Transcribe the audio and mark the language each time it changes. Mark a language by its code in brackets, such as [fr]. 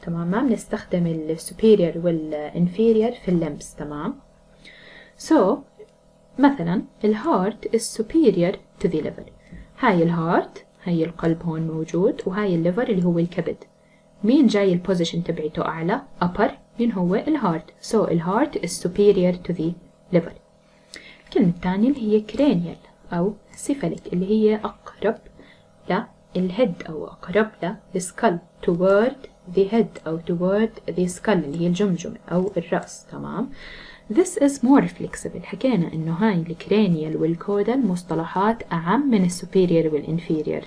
[ar] تمام، ما بنستخدم superior والinferior في اللمس. تمام، so مثلا [en] the heart is superior to the liver، [ar] هاي الهارت هاي القلب هون موجود، وهاي الليفر اللي هو الكبد، مين جاي البوزيشن تبعته اعلى؟ upper، مين هو؟ الهارت. [en] so the heart is superior to the liver. [ar] الكلمة الثانية اللي هي cranial او cephalic اللي هي اقرب للهيد او اقرب للسكال، [en] toward the head [ar] او [en] toward the skull [ar] اللي هي الجمجمة او الرأس. تمام، [en] this is more flexible، [ar] حكينا انه هاي الكرانيال والكودال مصطلحات اعم من السوبيريور والانفيريور.